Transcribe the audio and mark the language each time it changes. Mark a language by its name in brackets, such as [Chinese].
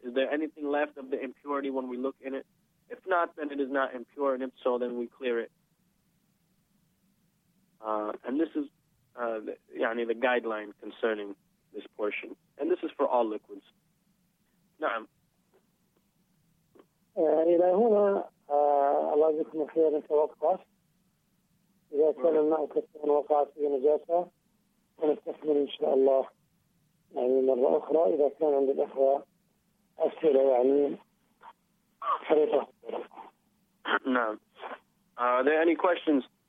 [English] Is there anything left of the impurity when we look in it? If not, then it is not impure, and if so, then we clear it. And this is yani the guideline concerning this portion. And this is for all liquids. [Arabic] نعم. إلى هنا الله يجزيكم خير نتوقف. إذا كان الماء كثيرا وقعت فيه نجاسة فنستكمل إن شاء الله يعني مرة أخرى إذا كان عند الأخوة أسئلة يعني حريصة. نعم. [English] Are there any questions?